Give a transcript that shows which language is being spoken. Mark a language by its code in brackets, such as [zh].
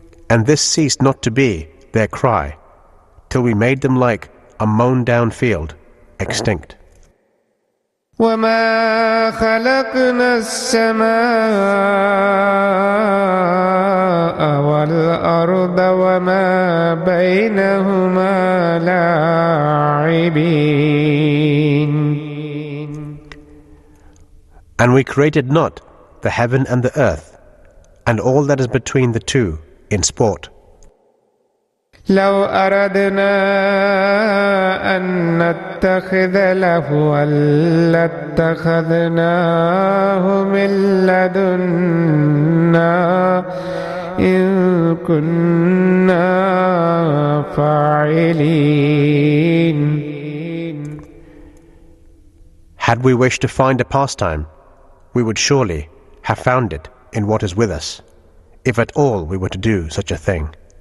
[en] And this ceased not to be their cry till we made them like a mown down field, extinct. [ar] وما خلقنا السماء والأرض وما بينهما لاعبين. [en] And we created not the heaven and the earth, and all that is between the two in sport. [ar] لو أردنا أن نتخذ لهوا لاتخذناه من لدنا إن كنا فاعلين. [en] Had we wished to find a pastime, we would surely have found it in what is with us, if at all we were to do such a thing.